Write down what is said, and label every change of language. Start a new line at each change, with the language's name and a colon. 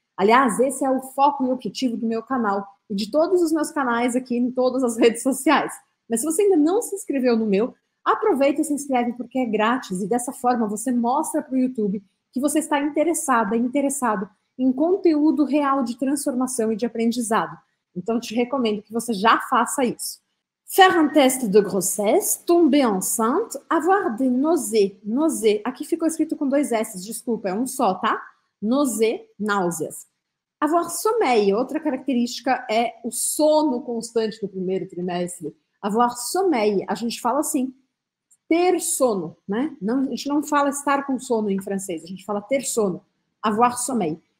Portuguese: Aliás, esse é o foco e o objetivo do meu canal e de todos os meus canais aqui em todas as redes sociais. Mas se você ainda não se inscreveu no meu, aproveita e se inscreve porque é grátis e dessa forma você mostra para o YouTube que você está interessada, interessado em conteúdo real de transformação e de aprendizado. Então, te recomendo que você já faça isso.
French: Faire un test de grossesse, tomber enceinte, avoir des nausées. Nausées.
Portuguese: Aqui ficou escrito com dois S, desculpa, é um só, tá? Nausées, náuseas.
French: Avoir sommeil.
Portuguese: Outra característica é o sono constante do primeiro trimestre.
French: Avoir sommeil.
Portuguese: A gente fala assim. Ter sono, né? Não, a gente não fala estar com sono em francês, a gente fala ter sono,
French: avoir sommeil.